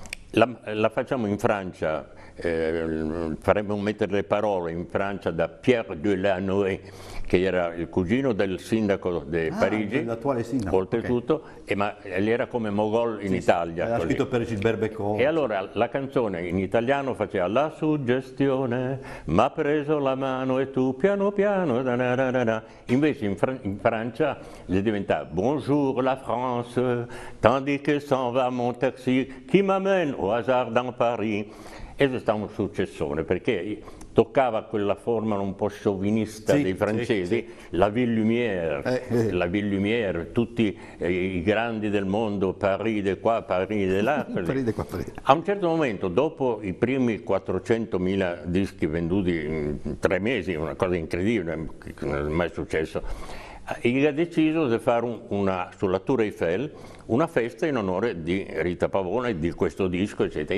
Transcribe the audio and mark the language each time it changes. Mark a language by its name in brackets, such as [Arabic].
[Italian] la facciamo in Francia, faremo mettere le parole in Francia da Pierre Delanoë, che era il cugino del sindaco di Parigi, l'attuale sindaco, oltretutto, okay. Ma lì era come Mogol in Italia. Era scritto per Gilbert Bécaud. E allora la canzone in italiano faceva la suggestione, ma ha preso la mano e tu piano piano, da na na na na. Invece in Francia le diventava [French] Bonjour la France, tandis que s'en va mon taxi, qui m'amène au hasard dans Paris. [Italian] E c'è stato un successone, perché toccava quella forma un po' sciovinista dei francesi, sì. La Ville Lumière, tutti i grandi del mondo, Paris de qua, Paris de là. Paris de qua, Paris. A un certo momento, dopo i primi 400.000 dischi venduti in 3 mesi, una cosa incredibile, non è mai successo, egli ha deciso di fare sulla Tour Eiffel una festa in onore di Rita Pavone, di questo disco, eccetera.